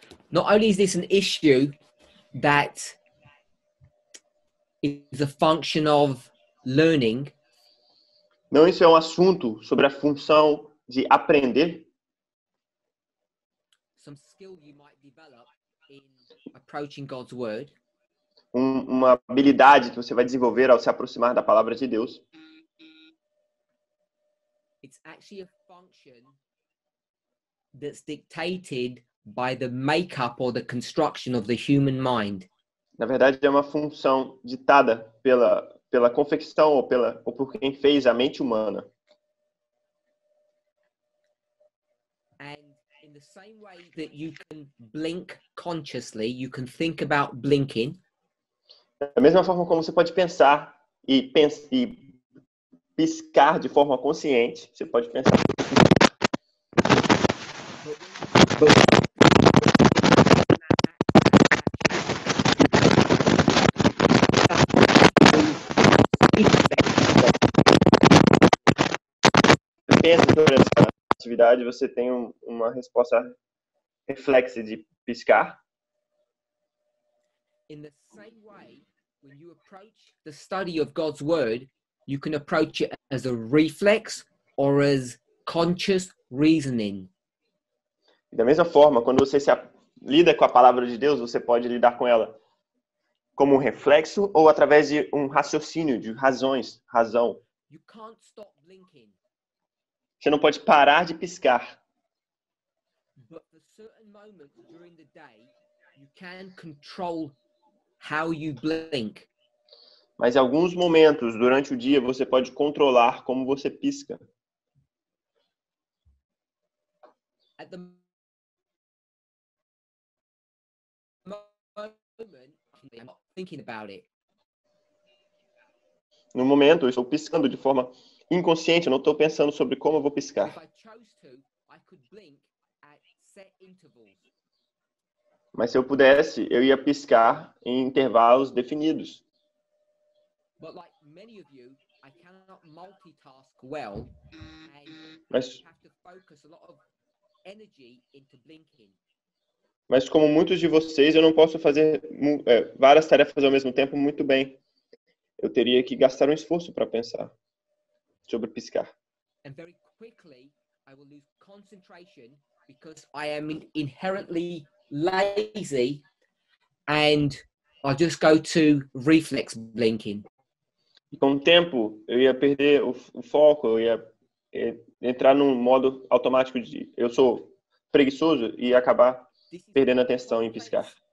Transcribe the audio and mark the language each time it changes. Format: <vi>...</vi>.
<en>Not only is this an issue that is a function of learning.</en> <pt>Não, isso é um assunto sobre a função de aprender.</pt> <en>Some skill you might develop in approaching God's word.</en> <pt>Uma habilidade que você vai desenvolver ao se aproximar da palavra de Deus.</pt> <en>It's actually a function that's dictated by the makeup or the construction of the human mind.</en> <pt>Na verdade, é uma função ditada pela confecção ou por quem fez a mente humana.</pt> <en>And in the same way that you can blink consciously, you can think about blinking.</en> <pt>Da mesma forma como você pode pensar e piscar de forma consciente, você pode pensar. Pensa sobre essa atividade, você tem uma resposta reflexa de piscar.</pt> <en>In the same way, when you approach the study of God's word, you can approach it as a reflex or as conscious reasoning.</en> <pt>Da mesma forma, quando você se lida com a palavra de Deus, você pode lidar com ela como um reflexo ou através de um raciocínio, de razões, razão.</pt> <en>You can't stop blinking.</en> <pt>Você não pode parar de piscar.</pt> <en>But for certain moments during the day, you can control how you blink.</en> <pt>Mas em alguns momentos durante o dia, você pode controlar como você pisca.</pt> <en>At the moment, I'm not thinking about it.</en> <pt>No momento, eu estou piscando de forma inconsciente, eu não estou pensando sobre como eu vou piscar.</pt> <en>If I chose to, I could blink at set intervals.</en> <pt>Mas se eu pudesse, eu ia piscar em intervalos definidos.</pt> <en>But like many of you, I cannot multitask well, and</en> <pt>mas,</pt> <en>I have to focus a lot of energy into blinking.</en> <pt>Mas como muitos de vocês, eu não posso fazer várias tarefas ao mesmo tempo muito bem. Eu teria que gastar um esforço para pensar sobre piscar.</pt> <en>And very quickly, I will lose concentration because I am inherently lazy and I'll just go to reflex blinking.</en> <pt>Com o tempo, eu ia perder o foco, eu ia entrar num modo automático de eu sou preguiçoso e acabar perdendo a atenção em piscar.</pt>